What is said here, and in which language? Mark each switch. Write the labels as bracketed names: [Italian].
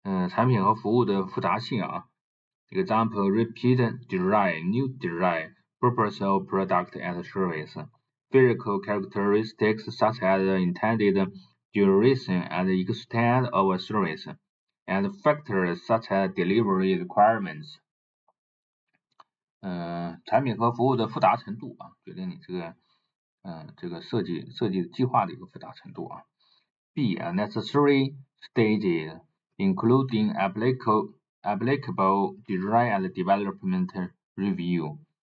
[Chinese] 产品和服务的复杂性啊。 [English] Example, repeat design, new design, purpose of product and service, physical characteristics such as intended duration and extent of a service, and factors such as delivery requirements. [Chinese] 产品和服务的复杂程度啊，决定你这个这个设计计划的一个复杂程度啊。 [English] B, necessary stages, including applicable design and development review.